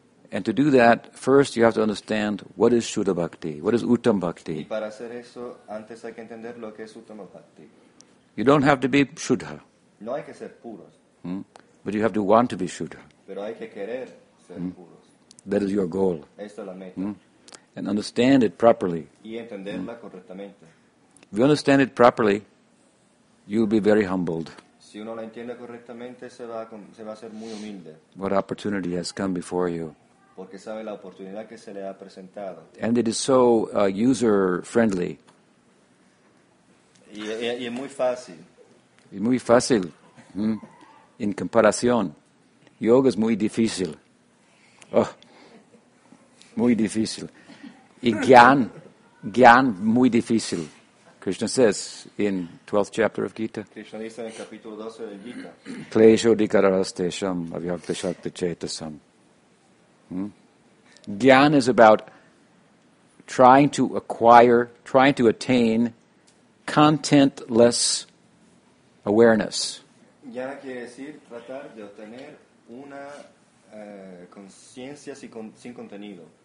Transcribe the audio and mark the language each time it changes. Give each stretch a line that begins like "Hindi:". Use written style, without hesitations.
English: And to do that, first you have to understand what is Shuddha Bhakti, what is Uttam Bhakti.
Spanish: Y para hacer eso, antes hay que entender lo que es Uttam Bhakti.
English: You don't have to be Shuddha.
Spanish: No hay que ser puros.
English: But you have to want to be Shuddha.
Spanish: Pero hay que querer ser puros.
English: That is your goal.
Spanish: Esta es la meta.
English: And understand it properly.
Spanish: Y entenderla correctamente.
English: If you understand it properly, you'll be very humbled.
Spanish: Si uno la entiende correctamente, se va a ser muy humilde.
English: What opportunity has come before you?
Spanish: porque sabe la oportunidad que se le ha presentado.
English: And it is so user friendly.
Spanish: Y es muy fácil. Y muy fácil. En comparación, yoga es muy difícil. Oh, muy difícil. Y gyan muy difícil.
English: Krishna says in 12th chapter of Gita.
Spanish: Krishna dice en el capítulo 12 del Gita.
Sanskrit: Klesho dikararastesham avyakta shakta chetasam.
English: Gyan is about trying to attain contentless awareness.
Spanish: Gyan quiere decir tratar de obtener una conciencia sin contenido.